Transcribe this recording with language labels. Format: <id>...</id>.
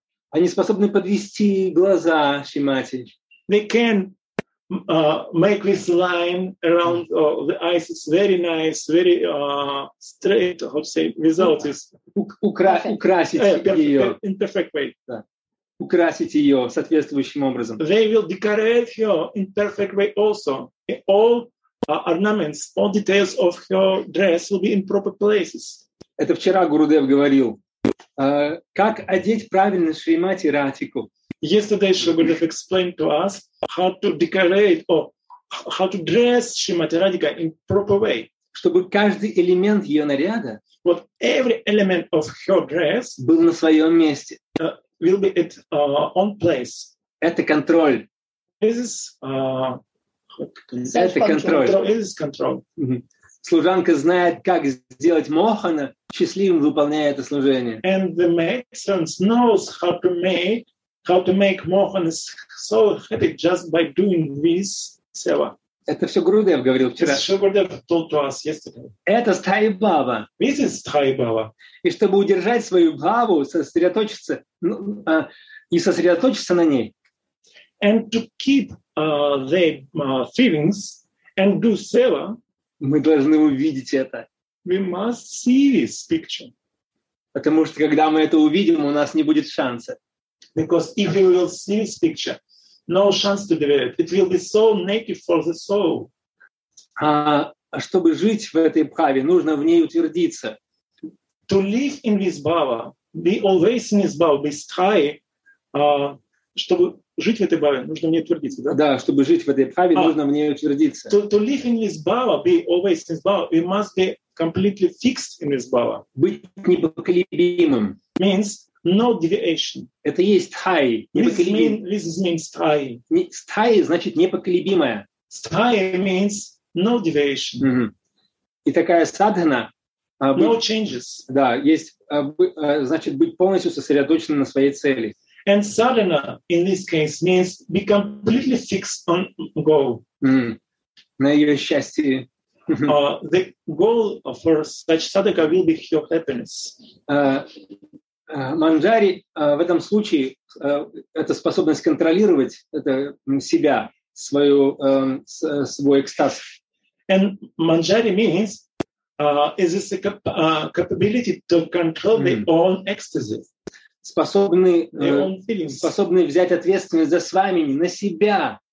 <ru>Они способны подвести глаза Шримати.</ru> <en>They can make this line around the eyes is very nice, very straight. How to say? Result is</en> <ru>украсить ее</ru> <en>in perfect way.</en> <ru>Да. Украсить ее соответствующим образом.</ru> <en>They will decorate her in perfect way also. All ornaments, all details of her dress will be in proper places.</en> <ru>Это вчера Гурудев говорил. Как одеть правильно Шримати Радхику?</ru> <en>Yesterday Shri Gurudev explained to us how to decorate or how to dress Shrimati Radhika in proper way.</en> <ru>Чтобы каждый элемент ее наряда</ru> <en>вот every element of her dress</en> <ru>был на своем месте.</ru> <en>Will be at on place.</en> <ru>Это контроль.</ru> <en>This is</en> <ru>это контроль.</ru> <en>This is control. Mm-hmm.</en> <ru>Служанка знает, как сделать мохана счастливым, выполняя это служение.</ru> <en>And the maidservant knows how to make mohana so happy just by doing this seva.</en> <ru>Это все Гурудев говорил вчера.</ru> <en>This is what Gurudev told to us yesterday.</en> <ru>Это стаи бава.</ru> <en>This is стаи бава.</en> <ru>И чтобы удержать свою бхаву, сосредоточиться и сосредоточиться на ней.</ru> <en>And to keep their feelings and do seva.</en> <ru>Мы должны увидеть это.</ru> <en>We must see this picture.</en> <ru>Потому что когда мы это увидим, у нас не будет шанса.</ru> <en>Because if we will see this picture, no chance to develop. It will be so native for the soul.</en> <ru>А чтобы жить в этой бхаве, нужно в ней утвердиться.</ru> <en>To live in this bhava, be always in this bhava, be sthayi.</en> <ru>Чтобы жить в этой бхаве, нужно в ней утвердиться, да? Да, чтобы жить в этой бхаве, нужно в ней утвердиться.</ru> <en>To live in this bhava, be always in this bhava, we must be completely fixed in this bhava.</en> <ru>Быть непоколебимым.</ru> <en>Means no deviation.</en> <ru>Это есть sthayi.</ru> <en>This means sthayi.</en> <ru>Sthayi значит непоколебимое.</ru> <en>Sthayi means no deviation.</en> <ru>Mm-hmm. И такая садхана.</ru> <en>No changes.</en> <ru>Да, есть, значит, быть полностью сосредоточенным на своей цели.</ru> <en>And sadhana in this case means be completely fixed on goal.</en> <ru>Mm. На ее счастье.</ru> <en>The goal for such sadhaka will be her happiness.</en> <ru>Манджари в этом случае это способность контролировать это, себя, свою, свой экстаз.</ru> <en>And manjari means is this a capability to control their own ecstasy.</en> <ru>Способны взять ответственность за свамини на себя.</ru>